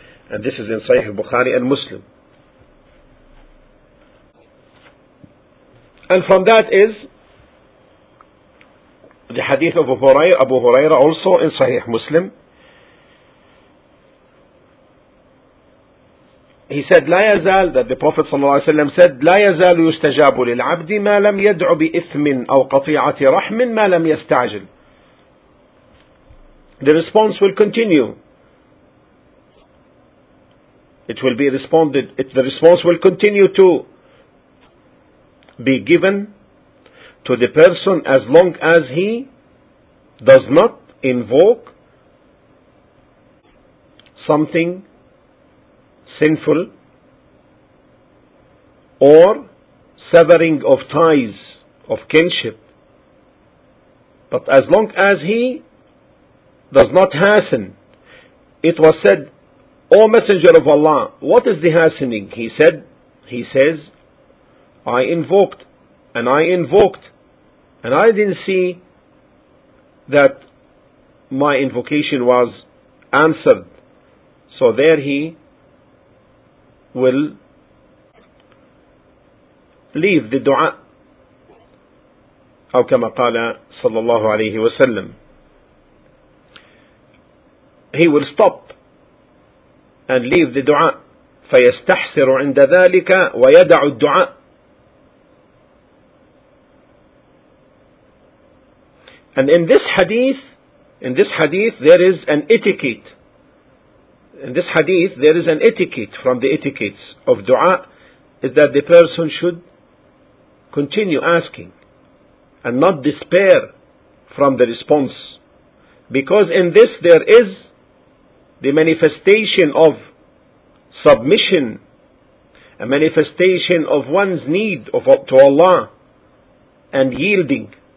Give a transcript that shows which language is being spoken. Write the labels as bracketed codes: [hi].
[en] And this is in Sahih Bukhari and Muslim. And from that is the hadith of Abu Huraira also in Sahih Muslim. He said, [ar] لا يزال, [en] that the Prophet [ar] صلى الله عليه وسلم said, لا يزال يستجاب للعبد ما لم يدع بإثم أو قطيعة رحم ما لم يستعجل. [en] The response will continue. It will be responded. It, the response will continue to be given to the person as long as he does not invoke something sinful or severing of ties of kinship. But as long as he does not hasten, it was said, O Messenger of Allah, what is the hastening? He said, he says, I invoked, and I didn't see that my invocation was answered. So there he will leave the dua. [ar] أو كما قال صلى الله عليه وسلم. [en] He will stop and leave the dua. [ar] فيستحسر عند ذلك ويدع الدعاء. [en] And in this hadith there is an etiquette. In this hadith there is an etiquette. From the etiquettes of dua is that the person should continue asking and not despair from the response, because in this there is the manifestation of submission, a manifestation of one's need of to Allah and yielding.